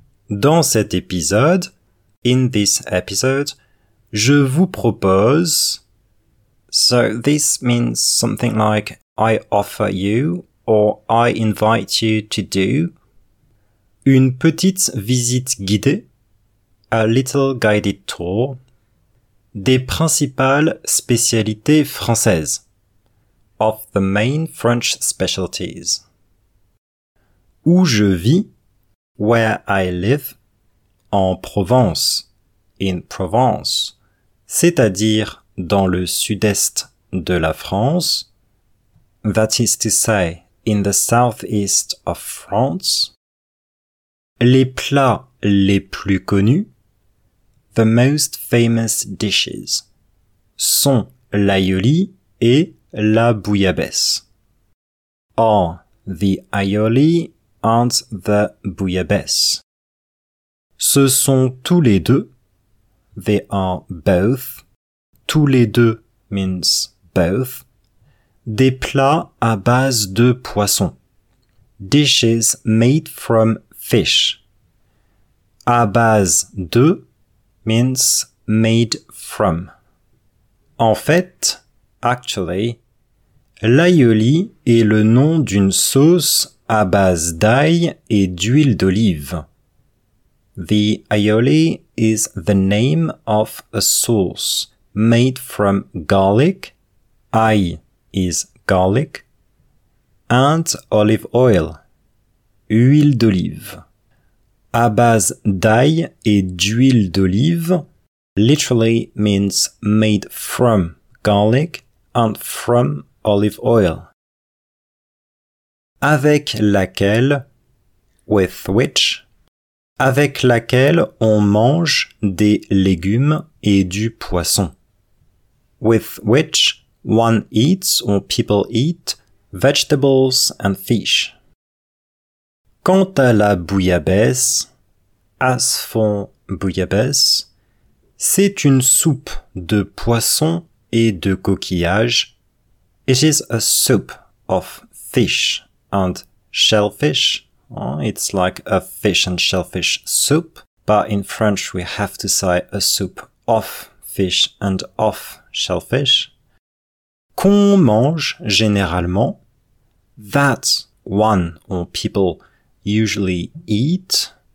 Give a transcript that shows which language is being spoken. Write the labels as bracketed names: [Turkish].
[French] Dans cet épisode, [English] in this episode, [French] je vous propose. [English] So this means something like I offer you or I invite you to do. [French] Une petite visite guidée. [English] A little guided tour. [French] Des principales spécialités françaises. [English] Of the main French specialties. [French] Où je vis. [English] Where I live. [French] En Provence. [English] In Provence. [French] C'est-à-dire dans le sud-est de la France. [English] That is to say, in the southeast of France. [French] Les plats les plus connus. [English] The most famous dishes [French] sont l'aïoli et la bouillabaisse. [English] Are the aïoli and the bouillabaisse. [French] Ce sont tous les deux. [English] They are both. [French] Tous les deux [English] means both. [French] Des plats à base de poisson. [English] Dishes made from fish. [French] À base de [English] means made from. [French] En fait, [English] actually, [French] l'aïoli est le nom d'une sauce à base d'ail et d'huile d'olive. [English] The aioli is the name of a sauce made from garlic, ail is garlic, and olive oil, huile d'olive. [French] À base d'ail et d'huile d'olive, [English] literally means made from garlic and from olive oil. [French] Avec laquelle, [English] with which, [French] avec laquelle on mange des légumes et du poisson. [English] With which one eats or people eat vegetables and fish. [French] Quant à la bouillabaisse, [English] as for bouillabaisse, [French] c'est une soupe de poisson et de coquillages, [English] It is a soup of fish and shellfish. It's like a fish and shellfish soup. But in French, we have to say a soup of fish and of shellfish. [French] Qu'on mange généralement, [English] that one or people usually eat.